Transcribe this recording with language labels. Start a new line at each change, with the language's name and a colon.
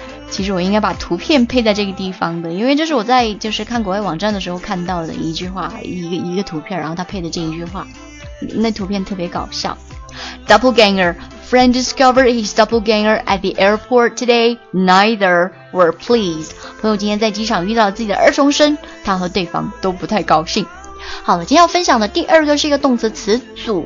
Chinese: 其实我应该把图片配在这个地方的，因为这是我在就是看国外网站的时候看到的一句话，一个图片，然后他配的这一句话，那图片特别搞笑。
English: Doppelganger, friend discovered his doppelganger at the airport today. Neither were pleased.
Chinese: 朋友今天在机场遇到自己的二重声，他和对方都不太高兴。好了，今天要分享的第二个是一个动词词组。